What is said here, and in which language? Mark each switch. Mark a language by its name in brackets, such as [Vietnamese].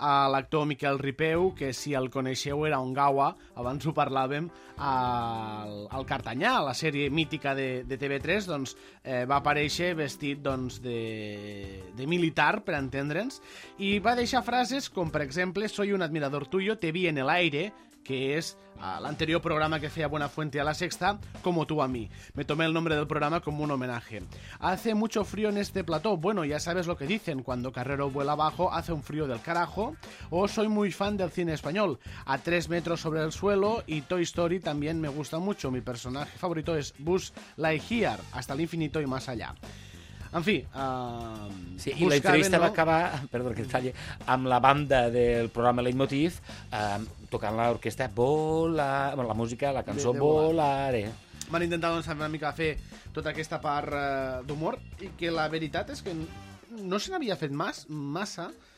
[Catalan] l'actor Miquel Ripeu, que si el coneixeu era un gawa, abans ho parlàvem, al Cartanyà, a la sèrie mítica de TV3, doncs va aparèixer vestit doncs, de militar, per entendre'ns, i va deixar frases com, per exemple, [Spanish] soy un admirador tuyo, te vi en el aire, [Catalan] que és l'anterior programa que feia Buenafuente a la Sexta, [Spanish] como tú a mí. Me tomé el nombre del programa como un homenaje. Hace mucho frío en este plató. Bueno, ya sabes lo que dicen. Cuando Carrero vuela abajo, hace un frío del carajo. O soy muy fan del cine español. A 3 metros sobre el suelo y Toy Story también me gusta mucho. Mi personaje favorito es Buzz Lightyear, hasta el infinito y más allá. [Catalan] En fi, sí, i la entrevista va acabar, perdó que talli, amb la banda del programa Leitmotiv, tocant l'orquestra Volare, la música, la cançó de Volare. Van intentar doncs, una mica fer tota aquesta part d'humor, i que la veritat és que no se n'havia fet massa,